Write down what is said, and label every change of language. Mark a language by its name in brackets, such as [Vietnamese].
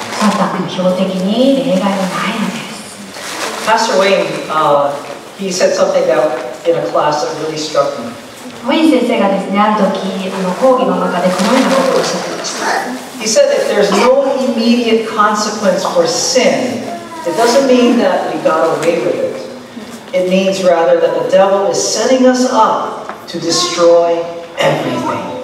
[Japanese] サタン標的に例外はないのです。 [English] Pastor Wayne, he said something that in a class that really struck me. [Japanese] Wayne先生がですね、ある時、講義の中でこのようなことをおっしゃっていました。 [English] He said that there's no immediate consequence for sin. It doesn't mean that we got away with it. It means rather that the devil is setting us up to destroy everything.